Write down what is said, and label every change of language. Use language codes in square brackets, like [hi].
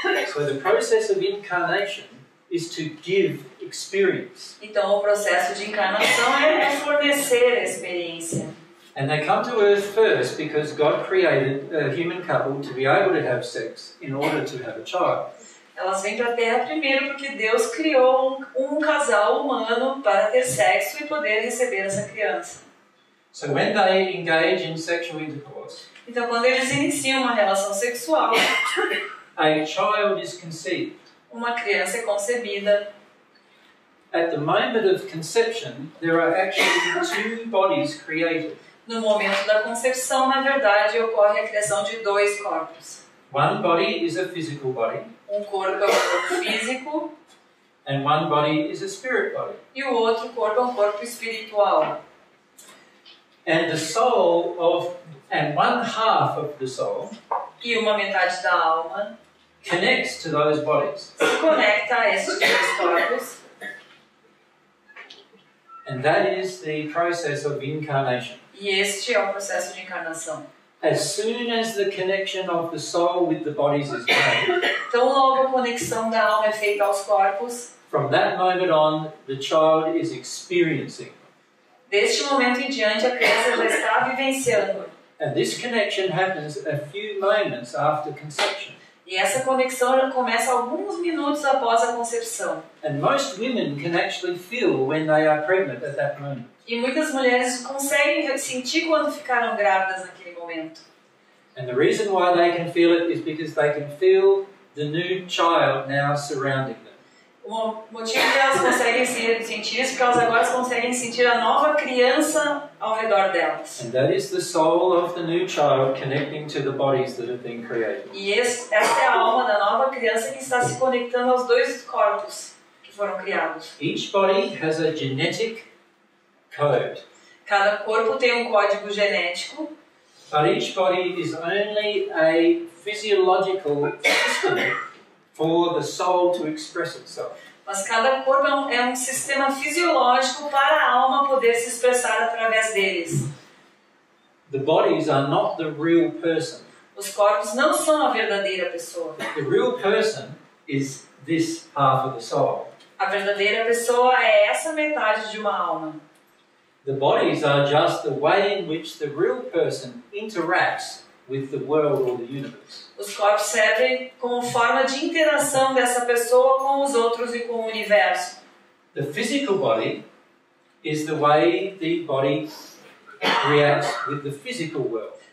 [en] So the process of incarnation is to give experience. [pt] Então, o processo de encarnação é fornecer experiência. [en] And they come to Earth first because God created a human couple to be able to have sex in order to have a child. [pt] Elas vêm para a Terra primeiro porque Deus criou um casal humano para ter sexo e poder receber essa criança. [en] So when they engage in sexual intercourse, [pt] então, quando eles iniciam uma relação sexual, [en] a child is conceived. [pt] Uma criança é concebida. [en] At the moment of conception, there are actually two bodies created. [pt] No momento da concepção, na verdade, ocorre a criação de dois corpos. [en] One body is a physical body. [pt] Um corpo é um corpo físico. [en] And one body is a spirit body. [pt] E o outro corpo é um corpo espiritual. [en] And the soul of and one half of the soul. [pt] E uma metade da alma. [en] Connects to those bodies. [pt] Se conecta a esses dois corpos. [en] And that is the process of incarnation. [pt] E este é o processo de encarnação. [en] As soon as the connection of the soul with the bodies is made. [pt] Tão logo a conexão da alma é feita aos corpos. [en] From that moment on, the child is experiencing. [pt] Deste momento em diante, a criança já está vivenciando. [en] And this connection happens a few moments after conception. [pt] E essa conexão começa alguns minutos após a concepção. [en] And most women can actually feel when they are pregnant at that moment. [pt] E muitas mulheres conseguem sentir quando ficaram grávidas naquele momento. [en] And the reason why they can feel it is because they can feel the new child now surrounding them. [pt] O motivo que elas conseguem sentir isso é porque agora elas conseguem sentir a nova criança ao redor delas. [en] And that is the soul of the new child connecting to the bodies that have been created. [pt] E essa é a alma da nova criança que está se conectando aos dois corpos que foram criados. [en] Each body has a genetic code. [pt] Cada corpo tem um código genético. [en] But each body is only a physiological system for the soul to express itself. [pt] Mas cada corpo é um sistema fisiológico para a alma poder se expressar através deles. [en] The bodies are not the real person. [pt] Os corpos não são a verdadeira pessoa. [en] The real person is this half of the soul. [pt] A verdadeira pessoa é essa metade de uma alma. [en] The bodies are just the way in which the real person interacts with the world or the universe. [pt] Os corpos servem como forma de interação dessa pessoa com os outros e com o universo. [en] The physical body is the way the body reacts with the physical world.